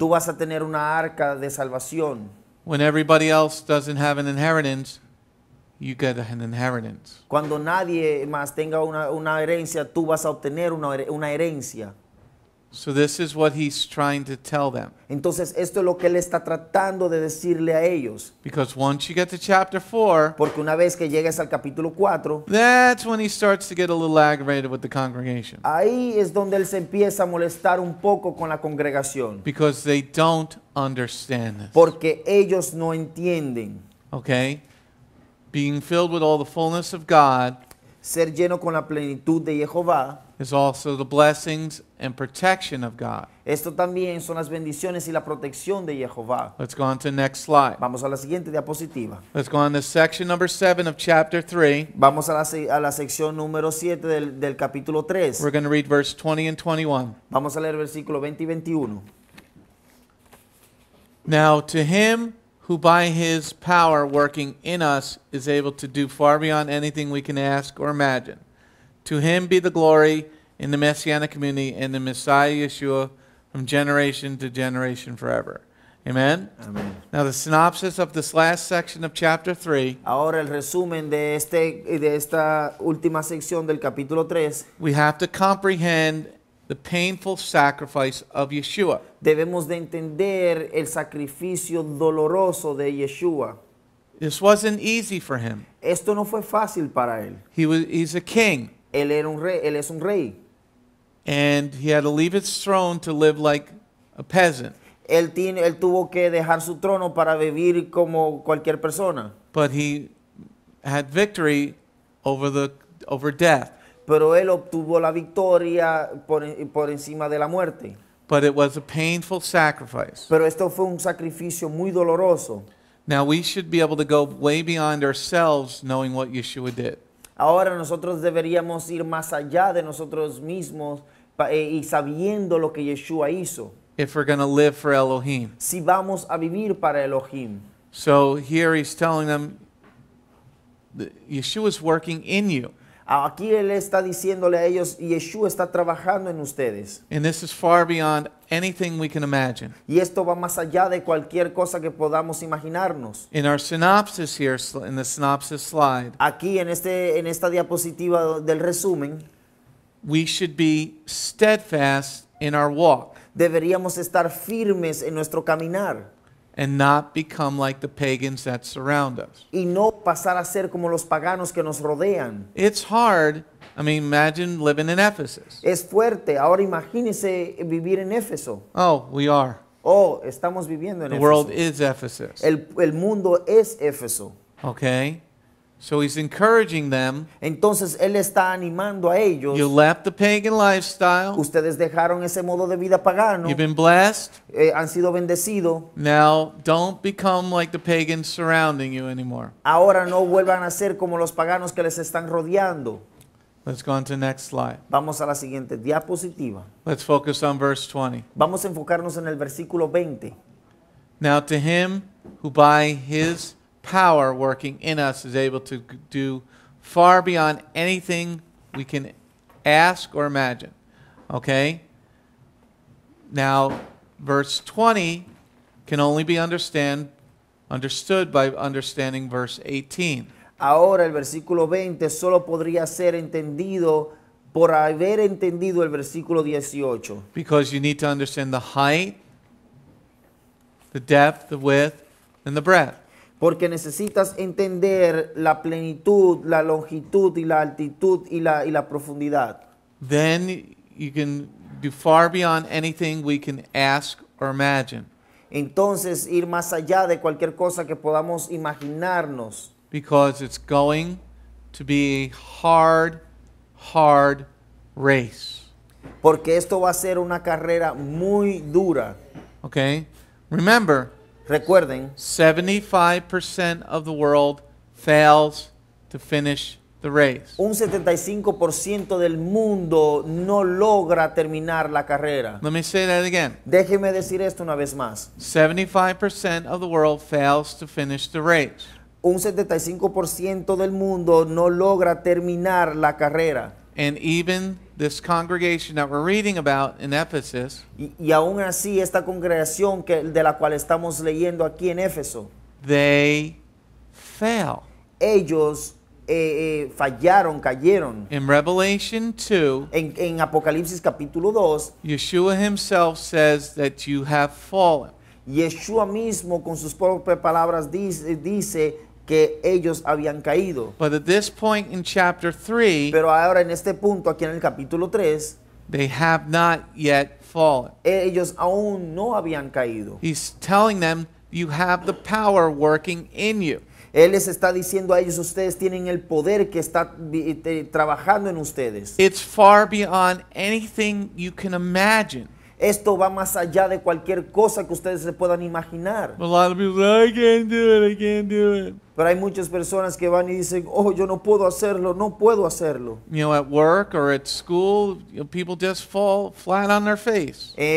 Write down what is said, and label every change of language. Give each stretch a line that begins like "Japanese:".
Spanish: Tú vas a tener una arca de salvación.
English: When everybody else doesn't have an inheritance, you get an inheritance.
Spanish: Cuando nadie más tenga una herencia, tú vas a obtener una herencia.
English: So this is what he's trying to tell them.
Spanish: Entonces esto es lo que él está tratando de decirle a ellos.
English: Because once you get to chapter 4,
Spanish: porque una vez que llegues al capítulo 4,
English: that's when he starts to get a little aggravated with the congregation.
Spanish: Ahí es donde él se empieza a molestar un poco con la congregación.
English: Because they don't understand this.
Spanish: Porque ellos no entienden.
English: Okay? Being filled with all the fullness of God,
Spanish: ser lleno con la plenitud de Jehová,
English: is also the blessings and protection of God.
Spanish: Esto también son las bendiciones y la protección de Jehová.
English: Let's go on to the next slide.
Spanish: Vamos a la siguiente diapositiva.
English: Let's go on to section number 7 of chapter 3.
Spanish: Vamos a la sección número 7 del capítulo 3.
English: We're going to read verse 20 and 21.
Spanish: Vamos a leer versículo 20 y 21.
English: Now to him who by his power working in us is able to do far beyond anything we can ask or imagine, to him be the glory in the Messianic community and the Messiah Yeshua from generation to generation forever. Amen? Amen. Now the synopsis of this last section of chapter 3.
Spanish: Ahora el resumen de esta última sección del capítulo 3.
English: We have to comprehend the painful sacrifice of Yeshua.
Spanish: Debemos de entender el sacrificio doloroso de Yeshua.
English: This wasn't easy for him.
Spanish: Esto no fue fácil para él.
English: He's a king.
Spanish: Él era un rey. Él es un rey.
English: And he had to leave his throne to live like a peasant.
Spanish: Él tuvo que dejar su trono para vivir como cualquier persona.
English: But he had victory over death.
Spanish: Pero él obtuvo la victoria por encima de la muerte.
English: But it was a painful sacrifice.
Spanish: Pero esto fue un sacrificio muy doloroso.
English: Now we should be able to go way beyond ourselves knowing what Yeshua did.
Spanish: Ahora nosotros deberíamos ir más allá de nosotros mismos y sabiendo lo que Yeshua hizo.
English: If we're going to live for Elohim.
Spanish: Si vamos a vivir para Elohim.
English: So here he's telling them, Yeshua is working in you.
Spanish: Aquí él está diciéndole a ellos, Yeshua está trabajando en ustedes.
English: And this is far beyond anything we can imagine.
Spanish: Y esto va más allá de cualquier cosa que podamos imaginarnos.
English: In our synopsis here, in the synopsis slide.
Spanish: Aquí en esta diapositiva del resumen.
English: We should be steadfast in our walk.
Spanish: Deberíamos estar firmes en nuestro caminar.
English: And not become like the pagans that surround us.
Spanish: Y no pasar a ser como los paganos que nos rodean.
English: It's hard. I mean, imagine living in Ephesus.
Spanish: Es fuerte. Ahora imagínese vivir en Éfeso.
English: Oh, we are.
Spanish: Oh, estamos viviendo en
English: Éfeso. The world is Ephesus.
Spanish: El mundo es Éfeso.
English: Okay. So he's encouraging them.
Spanish: Entonces él está animando a ellos.
English: You left the pagan lifestyle.
Spanish: Ustedes dejaron ese modo de vida pagano.
English: You've been blessed.
Spanish: Han sido bendecidos.
English: Now don't become like the pagans surrounding you anymore.
Spanish: Ahora no vuelvan a ser como los paganos que les están rodeando.
English: Let's go on to the next slide.
Spanish: Vamos a la siguiente diapositiva.
English: Let's focus on verse 20.
Spanish: Vamos a enfocarnos en el versículo 20.
English: Now to him who by his power working in us is able to do far beyond anything we can ask or imagine. Okay? Now, verse 20 can only be understood by understanding verse 18.
Spanish: Ahora el versículo 20 solo podría ser entendido por haber entendido el versículo 18.
English: Because you need to understand the height, the depth, the width, and the breadth.
Spanish: Porque necesitas entender la plenitud, la longitud, y la altitud, y la profundidad.
English: Then you can do far beyond anything we can ask or imagine.
Spanish: Entonces, ir más allá de cualquier cosa que podamos imaginarnos.
English: Because it's going to be a hard, hard race.
Spanish: Porque esto va a ser una carrera muy dura.
English: Okay? Remember,
Spanish: recuerden,
English: 75% of the world fails to finish the race.
Spanish: Un 75% del mundo no logra terminar la carrera.
English: Let me say that again.
Spanish: Déjeme decir esto una vez más.
English: 75% of the world fails to finish the race.
Spanish: Un 75% del mundo no logra terminar la carrera.
English: And even this congregation that we're reading about in Ephesus.
Spanish: Y aún así esta congregación que de la cual estamos leyendo aquí en Éfeso.
English: They fail.
Spanish: Ellos fallaron, cayeron.
English: In Revelation 2.
Spanish: En Apocalipsis capítulo 2.
English: Yeshua himself says that you have fallen.
Spanish: Yeshua mismo con sus propias palabras dice que ellos habían caído.
English: But at this point in chapter 3,
Spanish: pero ahora en este punto, aquí en el capítulo 3,
English: they have not yet fallen.
Spanish: Ellos aún no habían caído.
English: He's telling them, you have the power working in you.
Spanish: Él les está diciendo a ellos, ustedes tienen el poder que está trabajando en ustedes.
English: It's far beyond anything you can imagine.
Spanish: Esto va más allá de cualquier cosa que ustedes se puedan imaginar.
English: A lot of people say, I can't do it, I can't do it.
Spanish: Pero hay muchas personas que van y dicen, oh, yo no puedo hacerlo, no puedo hacerlo.
English: You know, at work or at school, you know, people just fall flat on their face.